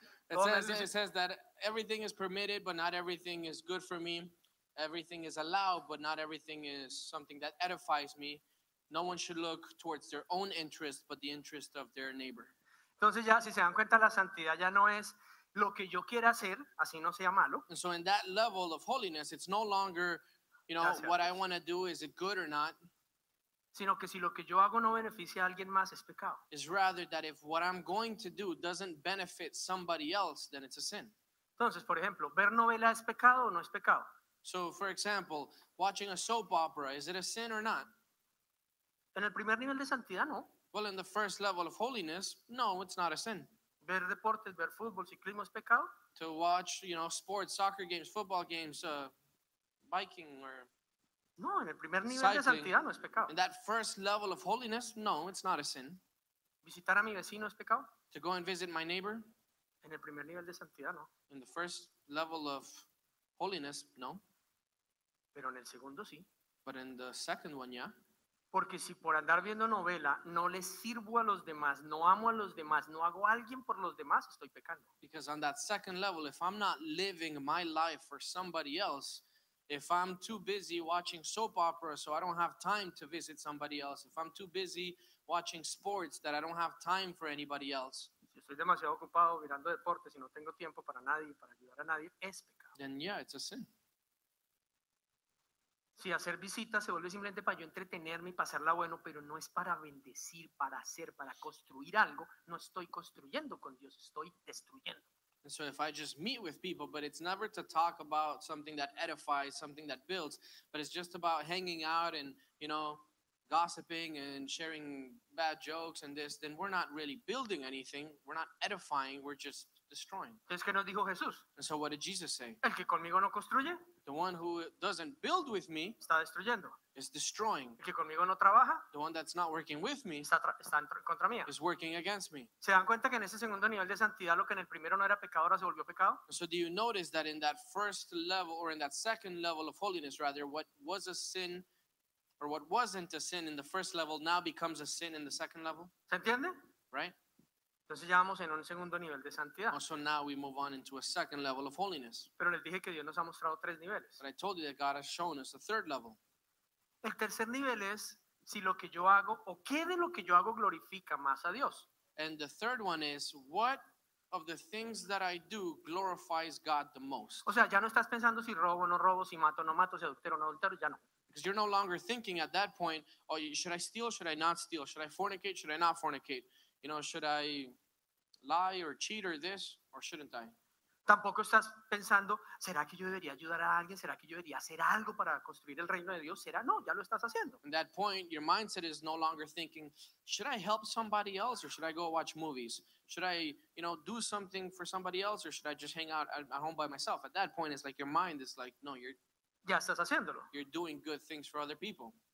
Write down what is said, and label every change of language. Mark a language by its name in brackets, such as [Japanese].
[English] It says that everything is permitted, but not everything is good for me. Everything is allowed, but not everything is something that edifies me. No one should look towards their own interest, but the interest of their neighbor. [Spanish] Entonces ya, si se dan cuenta, la santidad ya no es lo que yo quiera hacer, así no sea malo. [English] And so in that level of holiness, it's no longer, you know, [Spanish] gracias, [English] what I want to do, is it good or not? [Spanish] Sino que si lo que yo hago no beneficia a alguien más, es pecado. [English] It's rather that if what I'm going to do doesn't benefit somebody else, then it's a sin. [Spanish] Entonces, por ejemplo, ver novela es pecado o no es pecado. [English] So, for example, watching a soap opera, is it a sin or not? [Spanish] En el primer nivel de santidad, no. [English] Well, in the first level of holiness, no, it's not a sin. [Spanish] Ver deportes, ver fútbol, ciclismo, es pecado. [English] To watch, you know, sports, soccer games, football games, biking or [Spanish] no, en el primer nivel [English] cycling. [Spanish] De santidad no es pecado. [English] In that first level of holiness, no, it's not a sin. [Spanish] Visitar a mi vecino es pecado. [English] To go and visit my neighbor. [Spanish] En el primer nivel de santidad, no. [English] In the first level of holiness, no. [Spanish] Pero en el segundo, sí. [English] But in the second one, yeah. [Spanish] Porque si por andar viendo novela no les sirvo a los demás, no amo a los demás, no hago alguien por los demás, estoy pecando. [English] Because on that second level, if I'm not living my life for somebody else, if I'm too busy watching soap opera so I don't have time to visit somebody else, if I'm too busy watching sports that I don't have time for anybody else, [Spanish] estoy demasiado ocupado mirando deportes y no tengo tiempo para nadie, para ayudar a nadie, es pecado. [English] Then yeah, it's a sin. [Spanish] Si hacer visitas se vuelve simplemente para yo entretenerme y pasarla bueno, pero no es para bendecir, para hacer, para construir algo, no estoy construyendo con Dios, estoy destruyendo. [English] And so if I just meet with people, but it's never to talk about something that edifies, something that builds, but it's just about hanging out and, you know, gossiping and sharing bad jokes and this, then we're not really building anything. We're not edifying. We're just destroying. [Spanish] Entonces, ¿qué nos dijo Jesús? [English] And so what did Jesus say? [Spanish] El que conmigo no construye, [English] the one who doesn't build with me [Spanish] está destruyendo. [English] Is destroying. [Spanish] El que conmigo no trabaja, [English] the one that's not working with me [Spanish] está contra mía. [English] Is working against me. [Spanish] ¿Se dan cuenta que en ese segundo nivel de santidad lo que en el primero no era pecado ahora se volvió pecado? [English] And so do you notice that in that first level or in that second level of holiness rather, what was a sin or what wasn't a sin in the first level now becomes a sin in the second level? [Spanish] ¿Se entiende? [English] Right? [Spanish] Entonces ya vamos en un segundo nivel de santidad. [English] So now we move on into a second level of holiness. [Spanish] Pero les dije que Dios nos ha mostrado tres niveles. [English] But I told you that God has shown us a third level. [Spanish] El tercer nivel es si lo que yo hago o qué de lo que yo hago glorifica más a Dios. [English] And the third one is what of the things that I do glorifies God the most. [Spanish] O sea, ya no estás pensando si robo o no robo, si mato o no mato, si adultero o no adultero, ya no. [English] Because you're no longer thinking at that point, oh, should I steal, should I not steal? Should I fornicate, should I not fornicate? You know, should I lie or cheat or this, or shouldn't I? [Spanish] Tampoco estás pensando, ¿será que yo debería ayudar a alguien? ¿Será que yo debería hacer algo para construir el reino de Dios? ¿Será? No, ya lo estás haciendo. [English] At that point, your mindset is no longer thinking, should I help somebody else or should I go watch movies? Should I, you know, do something for somebody else or should I just hang out at home by myself? At that point, it's like your mind is like, no, you're... [Spanish] Ya estás haciéndolo. [English] You're doing good things for other people.